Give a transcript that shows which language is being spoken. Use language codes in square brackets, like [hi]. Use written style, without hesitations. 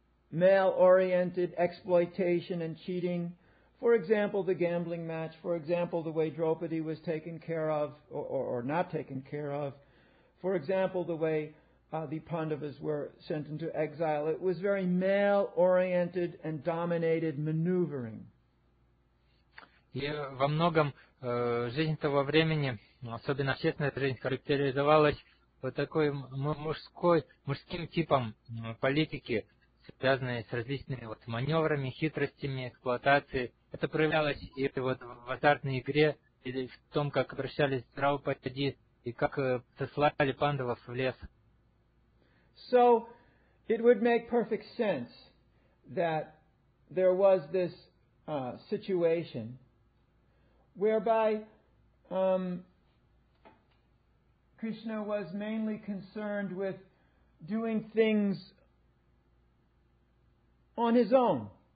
[en] Male-oriented exploitation and cheating, for example, the gambling match, for example, the way Draupadi was taken care of, or not taken care of, for example, the way the Pandavas were sent into exile. It was very male-oriented and dominated maneuvering. [ru] И во многом жизнь того времени, особенно общественная жизнь, характеризовалась вот такой мужским типом политики, связанной с различными вот маневрами, хитростями, эксплуатацией. Это проявлялось и вот в азартной игре, или в том, как обращались к Драупади, и как сослали пандавов в лес. [en] So, it would make perfect sense that there was this situation whereby Krishna was mainly concerned with doing things on his own.